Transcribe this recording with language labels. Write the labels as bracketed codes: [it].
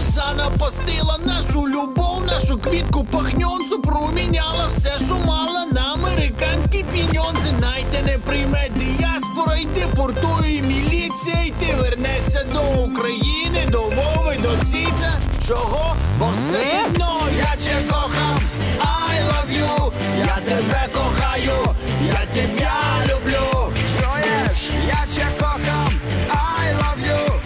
[uk] Занапастила нашу любов, нашу квітку пахньонцу, проміняла все, що мала, на американські піньонзи. Найте не прийме діаспора, й депортує міліція, й ти вернешся до України, до Вови, до Ціця. Чого? Бо все одно. Я тебе кохам, [en] I love you. [uk] Я тебе кохаю, я тебе люблю. Чуєш? Я тебе кохам, [en] I love you.